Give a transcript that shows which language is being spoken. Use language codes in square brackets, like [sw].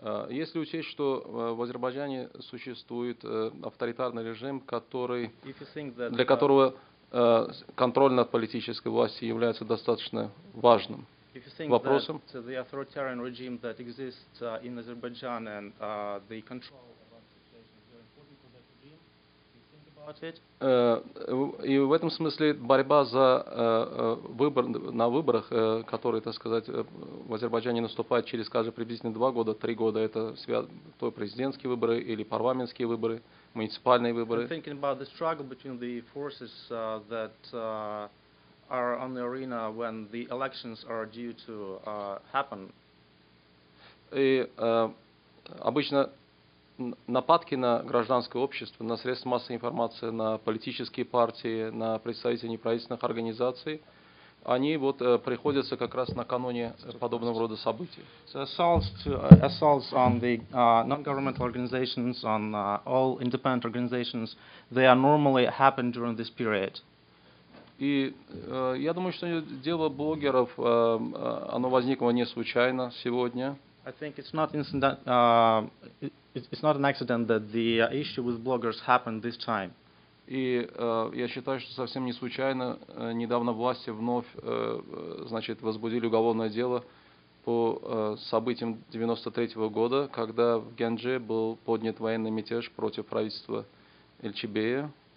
[ru] Если учесть, что в Азербайджане существует авторитарный режим, для которого контроль над политической властью является достаточно важным. [en] If you think [ru] вопросом, [en] that the authoritarian regime that exists in Azerbaijan and the control of the situation is very important for that regime, you think about it. [ru] И в этом смысле борьба за выбор на выборах, которые, так сказать, в Азербайджане наступают через, скажем, приблизительно 2 года, 3 года, это то президентские выборы или парламентские выборы, муниципальные выборы. [en] I'm thinking about the struggle between the forces that are on the arena when the elections are due to happen. [ru] И обычно нападки на гражданское общество, на средства массовой информации, на политические партии, на представителей неправительственных организаций, они вот приходятся как раз накануне подобного рода событий. [en] So assaults on the non-governmental organizations, on all independent organizations, they are normally happen during this period. [ru] И я думаю, что дело блогеров, оно возникло не случайно сегодня. [en] I think it's not incident, it's not an accident that the issue with bloggers happened this time. [ru] И я считаю, что совсем не случайно недавно власти вновь, значит, возбудили уголовное дело по событиям 93 года, когда в Гендже был поднят военный мятеж против правительства Эльчибея.